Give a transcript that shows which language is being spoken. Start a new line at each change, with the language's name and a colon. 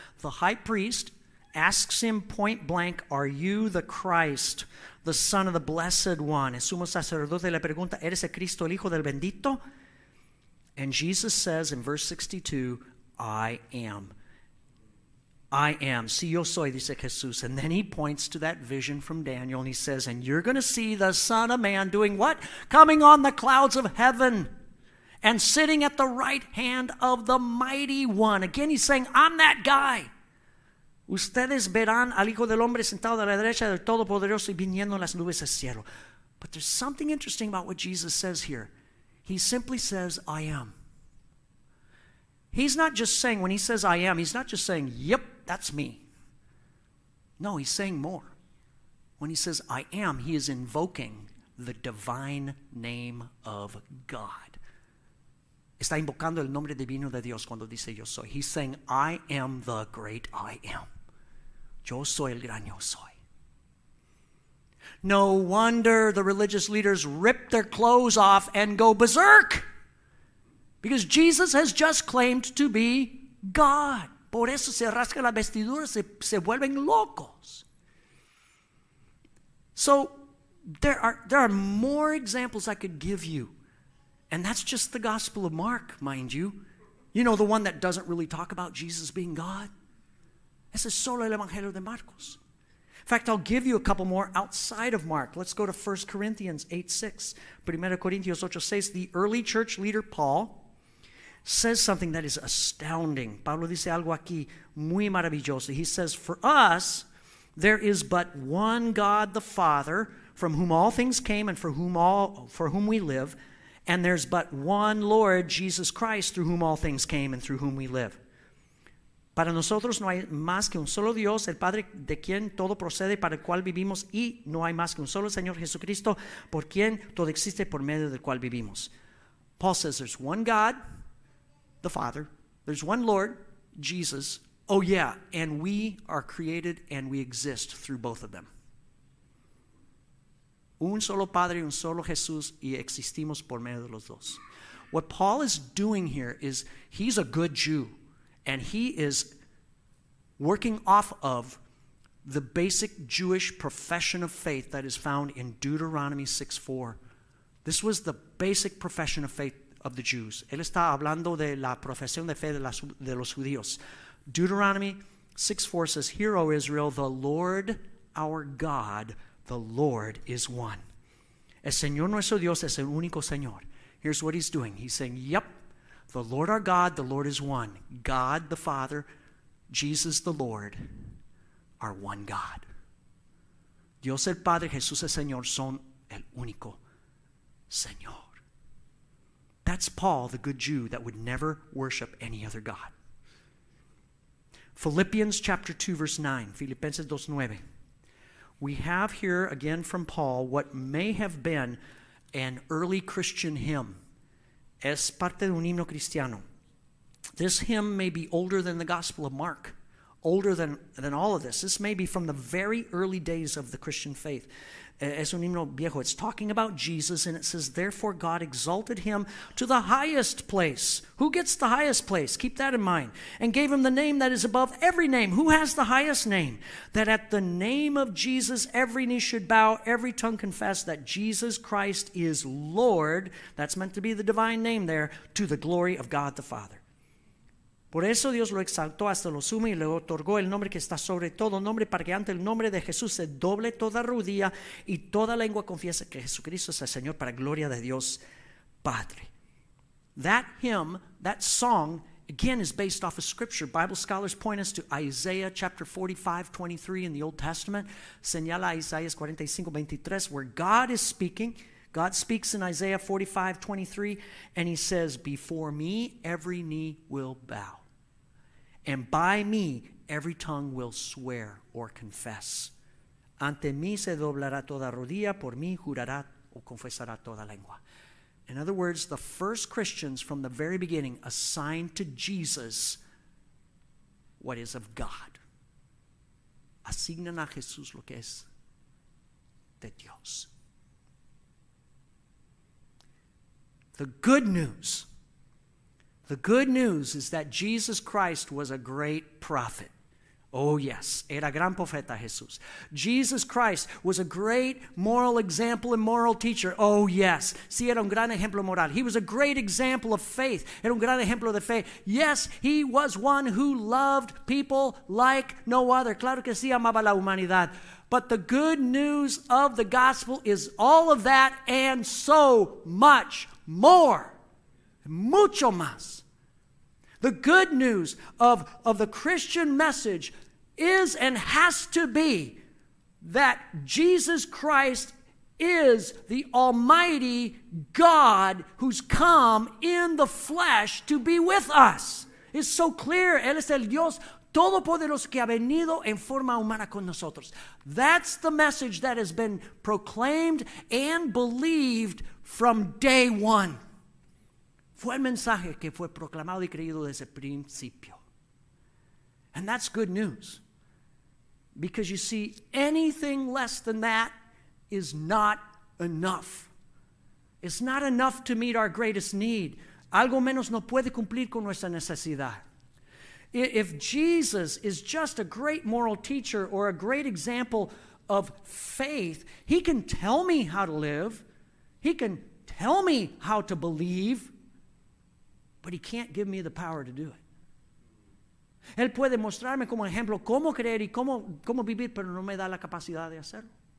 English: The high priest asks him point blank, are you the Christ, the Son of the Blessed One?
Spanish: El sumo sacerdote le pregunta, ¿eres el Cristo, el Hijo del Bendito?
English: And Jesus says in verse 62, I am. I am.
Spanish: Sí, yo soy, dice Jesús.
English: And then he points to that vision from Daniel and he says, and you're going to see the Son of Man doing what? Coming on the clouds of heaven. And sitting at the right hand of the Mighty One. Again, he's saying, I'm that guy.
Spanish: Ustedes verán al Hijo del Hombre sentado a la derecha del Todopoderoso y viniendo las nubes al cielo.
English: But there's something interesting about what Jesus says here. He simply says, I am. He's not just saying, when he says, I am, he's not just saying, yep, that's me. No, he's saying more. When he says, I am, he is invoking the divine name of God.
Spanish: Está invocando el nombre divino de Dios cuando dice yo soy.
English: He's saying, I am the great I am.
Spanish: Yo soy el gran yo soy.
English: No wonder the religious leaders rip their clothes off and go berserk. Because Jesus has just claimed to be God.
Spanish: Por eso se rasca la vestidura, se vuelven locos.
English: So there are more examples I could give you. And that's just the Gospel of Mark, mind you. You know, the one that doesn't really talk about Jesus being God.
Spanish: Ese es solo el Evangelio de Marcos.
English: In fact, I'll give you a couple more outside of Mark. Let's go to 1 Corinthians 8:6. 1 Corinthians 8:6, the early church leader, Paul, says something that is astounding.
Spanish: Pablo dice algo aquí muy maravilloso.
English: He says, for us, there is but one God, the Father, from whom all things came and for whom we live, and there's but one Lord, Jesus Christ, through whom all things came and through whom we live.
Spanish: Para nosotros no hay más que un solo Dios, el Padre de quien todo procede, para el cual vivimos, y no hay más que un solo Señor Jesucristo, por quien todo existe, por medio del cual vivimos.
English: Paul says there's one God, the Father, there's one Lord, Jesus, oh yeah, and we are created and we exist through both of them.
Spanish: Un solo Padre, un solo Jesús, y existimos por medio de los dos.
English: What Paul is doing here is he's a good Jew, and he is working off of the basic Jewish profession of faith that is found in Deuteronomy 6:4. This was the basic profession of faith of the Jews.
Spanish: Él está hablando de la profesión de fe de los judíos.
English: Deuteronomy 6:4 says, hear, O Israel, the Lord our God, the Lord is one.
Spanish: El Señor nuestro Dios es el único Señor.
English: Here's what he's doing. He's saying, yep, the Lord our God, the Lord is one. God the Father, Jesus the Lord, are one God.
Spanish: Dios el Padre, Jesús el Señor, son el único Señor.
English: That's Paul, the good Jew, that would never worship any other God. Philippians chapter 2, verse 9. Filipenses 2:9. We have here, again from Paul, what may have been an early Christian hymn.
Spanish: Es parte de un himno cristiano.
English: This hymn may be older than the Gospel of Mark, older than all of this. This may be from the very early days of the Christian faith.
Spanish: Es un himno viejo.
English: It's talking about Jesus, and it says, therefore God exalted him to the highest place. Who gets the highest place? Keep that in mind. And gave him the name that is above every name. Who has the highest name? That at the name of Jesus, every knee should bow, every tongue confess that Jesus Christ is Lord. That's meant to be the divine name there, to the glory of God the Father.
Spanish: Por eso Dios lo exaltó hasta lo sumo y le otorgó el nombre que está sobre todo nombre para que ante el nombre de Jesús se doble toda rodilla y toda lengua confiese que Jesucristo es el Señor para gloria de Dios Padre.
English: That hymn, that song, again is based off of scripture. Bible scholars point us to Isaiah chapter 45, 23 in the Old Testament.
Spanish: Señala Isaías 45, 23,
English: where God is speaking. God speaks in Isaiah 45, 23, and he says, before me, every knee will bow. And by me, every tongue will swear or confess.
Spanish: Ante mí se doblará toda rodilla, por mí jurará o confesará toda lengua.
English: In other words, the first Christians from the very beginning assigned to Jesus what is of God.
Spanish: Asignan a Jesús lo que es de Dios.
English: The good news is that Jesus Christ was a great prophet. Oh yes,
Spanish: era gran profeta Jesús.
English: Jesus Christ was a great moral example and moral teacher. Oh yes,
Spanish: sí, era un gran ejemplo moral.
English: He was a great example of faith.
Spanish: Era un gran ejemplo de fe.
English: Yes, he was one who loved people like no other.
Spanish: Claro que sí, amaba la humanidad.
English: But the good news of the gospel is all of that and so much more,
Spanish: mucho más.
English: The good news of the Christian message is and has to be that Jesus Christ is the Almighty God who's come in the flesh to be with us. It's so clear.
Spanish: Él es el Dios Todopoderoso que ha venido en forma humana con nosotros.
English: That's the message that has been proclaimed and believed from day one.
Spanish: Fue el mensaje que fue proclamado y creído desde el principio.
English: And that's good news. Because you see, anything less than that is not enough. It's not enough to meet our greatest need.
Spanish: Algo menos no puede cumplir con nuestra necesidad.
English: If Jesus is just a great moral teacher or a great example of faith, he can tell me how to live. He can tell me how to believe, but he can't give me the power to do it.
Spanish: Él puede mostrarme como ejemplo cómo creer y cómo vivir, pero no me da la capacidad de hacerlo.